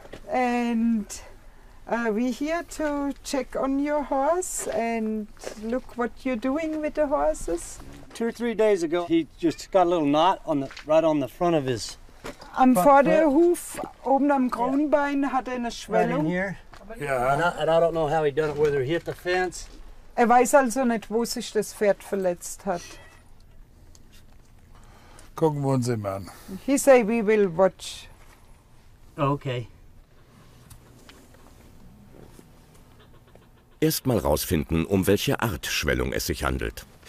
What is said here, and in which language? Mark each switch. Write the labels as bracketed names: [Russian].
[English] And are we here to check on your horse and look what you're doing with the horses? Two or three days ago, he just got a little knot on the right on the front of his. [German] Am Vorderhuf, oben am Kronbein, hat eine Schwellung. [English] Right in here. Yeah. And I don't know how he done it, whether he hit the fence. [German] Weiß also nicht, wo sich das Pferd verletzt hat. Gucken wir uns ihn an. [English] He say we will watch. Okay. [German] Erstmal rausfinden, um welche Art Schwellung es sich handelt.